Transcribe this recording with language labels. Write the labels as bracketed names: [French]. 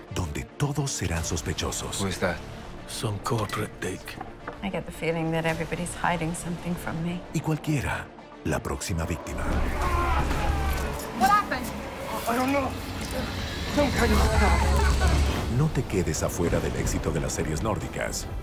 [Spanish] Donde todos serán sospechosos. [English] Who is that? Some corporate dick. I get the feeling that everybody's hiding something from me. [Spanish] Y cualquiera, la próxima víctima. [English] What happened? I don't know. Don't cut yourself. [Spanish] No te quedes afuera del éxito de las series nórdicas.